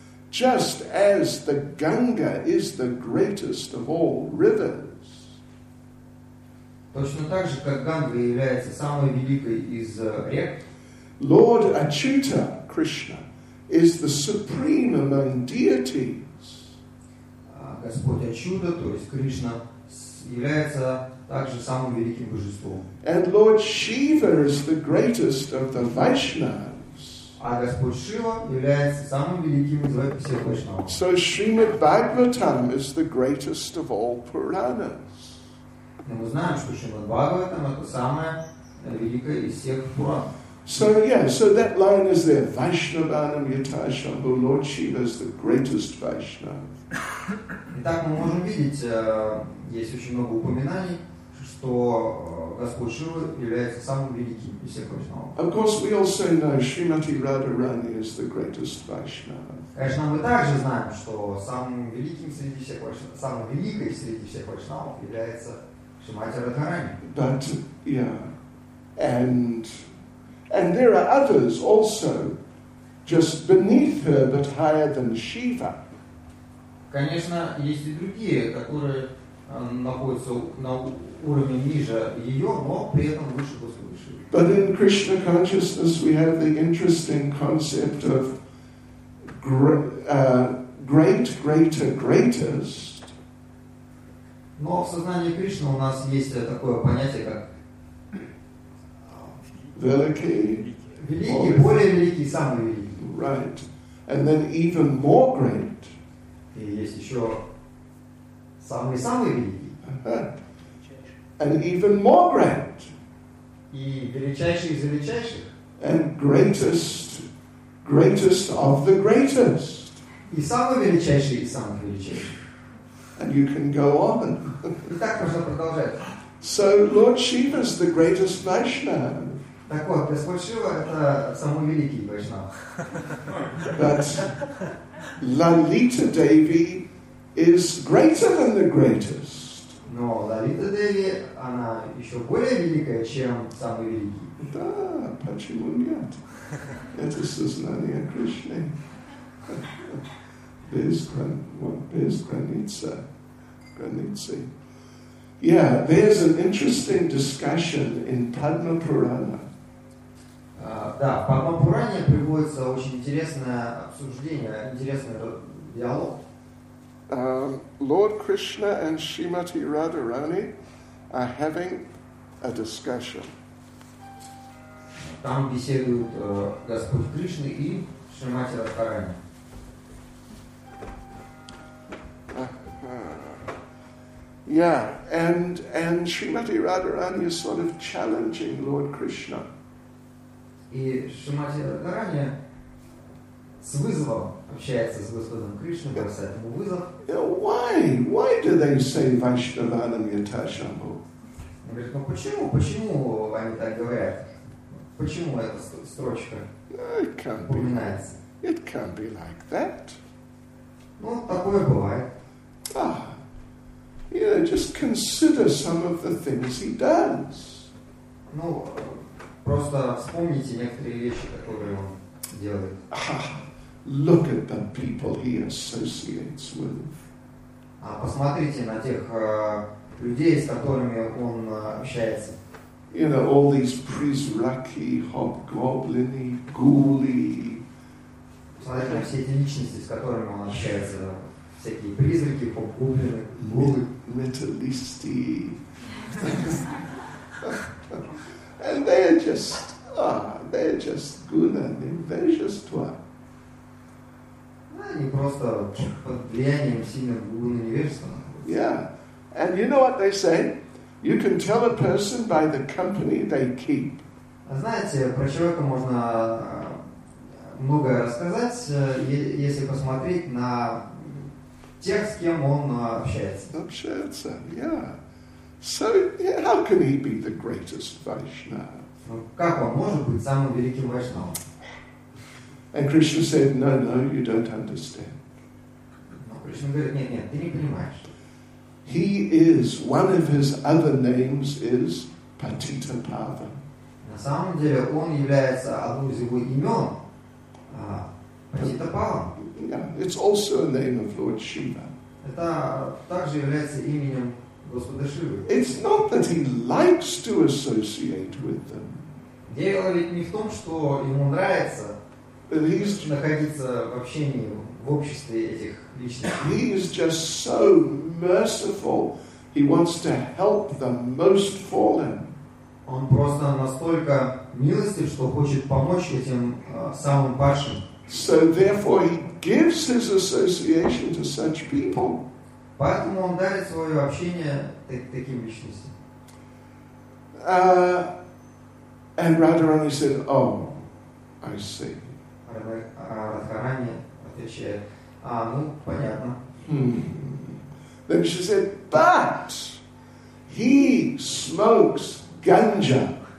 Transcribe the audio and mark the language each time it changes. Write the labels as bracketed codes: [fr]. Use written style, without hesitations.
[en] Just as the Ganga is the greatest of all rivers. [ru] Точно так же, как Ганга является самой великой из рек. [en] Lord Achyuta Krishna is the supreme among deities. [ru] Господь Ачюта, то есть Кришна, является также самым великим божеством. [en] And Lord Shiva is the greatest of the Vaishnavas. [ru] А Господь Шива является самым великим из всех Вайшнавов. [en] So Srimad Bhagavatam is the greatest of all Puranas. [ru] И мы знаем, что Srimad Bhagavatam это самое великое из всех Пуран. [en] So yeah, so that line is there. Vaishnavanam yata shambhu, Lord Shiva is the greatest Vaishnava. [ru] Итак, мы можем видеть, есть очень много упоминаний, что Господь Шива является самым великим из всех Вайшнавов. [en] Of course, we also know Srimati Radharani is the greatest Vaishnava. [ru] Конечно, мы также знаем, что самым великой среди всех Вайшнавов является Шримати Радхарани. [en] But yeah, and there are others also, just beneath her, but higher than Shiva. [ru] Конечно, есть и другие, которые находятся на уровне ниже ее, но при этом выше Господа Шивы. [en] But in Krishna consciousness, we have the interesting concept of great, greater, greatest. [ru] Но в сознании Кришны у нас есть такое понятие, как великий, более великий, самый великий. [en] Right. And then even more great. [ru] И есть еще самый-самый великий. [en] And even more great. [ru] И величайший из величайших. [en] And greatest of the greatest. [ru] И самый величайший из самых величайших. [en] And you can go on. [ru] И так можно продолжать. [en] So Lord Shiva is the greatest Vaishnava. [ru] Так вот, Господь Шива это самый великий Вайшнав. [en] But Lalita Devi is greater than the greatest. [ru] Но Лалита Деви она еще более великая, чем самый великий. Да, почему нет? Это сознание Кришны. Без границы. Границы. [en] Yeah, there's an interesting discussion in Padma Purana. [ru] Да, в Падмапуране приводится очень интересное обсуждение, интересный диалог. [en] Lord Krishna and Srimati Radharani are having a discussion. [ru] Там беседуют Господь Кришна и Шримати Радхарани. [en] Yeah, and Srimati Radharani is sort of challenging Lord Krishna. [ru] И Шримати Радхарани с вызовом общается с Господом Кришной, бросает ему вызов. [en] Why do they say Vaishnavanam yata shambhu? [ru] Он говорит, ну почему? Почему они так говорят? Почему эта строчка упоминается? [en] It can't be like that. [ru] Ну, такое бывает. [en] Ah, you know, just consider some of the things he does. [ru] Ну, просто вспомните некоторые вещи, которые он делает. [en] Look at the people he associates with. [ru] А посмотрите на тех людей, с которыми он общается. [en] You know, all these [ru] призраки, хобгоблины, гули. Посмотрите на все эти личности, с которыми он общается. Всякие призраки, хобгоблины, гули. Металлисты. [en] And they are just, Tva, they're just guna, vicious tva. [ru] Они просто под влиянием сильного гуна невежества. [en] Yeah, and you know what they say? You can tell a person by the company they keep. [ru] Знаете, про человека можно многое рассказать, если посмотреть на тех, с кем он общается. Общается, [en] yeah. So yeah, how can he be the greatest Vaishnava? [ru] Как он может быть самым великим Вайшнавом? [en] And Krishna said, no, no, you don't understand. [ru] Но Кришна говорит, нет, нет, ты не понимаешь. [en] He is, one of his other names is Patita Pava. [ru] На самом деле он является одним из его имен, Patita Pava. [en] Yeah, it's also a name of Lord Shiva. [ru] Это также является именем Господа Шивы. [en] It's not that he likes to associate with them. [ru] Дело ведь не в том, что ему нравится находиться в общении, в обществе этих личностей. [en] He is just so merciful. He wants to help the most fallen. [ru] Он просто настолько милостив, что хочет помочь этим самым падшим. [en] So therefore he gives his association to such people. [ru] Поэтому он дарит свое общение таким личностям. [en] And Radharani said, oh, I see. [ru] Радхарани отвечает, а, ну, понятно. [en] Then she said, but he smokes ганджа.